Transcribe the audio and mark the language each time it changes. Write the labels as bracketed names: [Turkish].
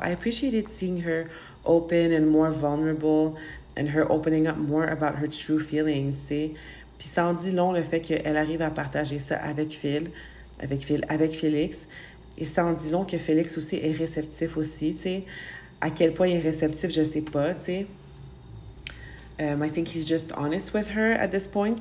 [English] I appreciated seeing her open and more vulnerable and her opening up more about her true feelings, see? [French] Puis ça en dit long le fait qu'elle arrive à partager ça avec Félix. Et ça en dit long que Félix aussi est réceptif aussi, tu sais. À quel point il est réceptif, je sais pas, tu sais. [English] I think he's just honest with her at this point.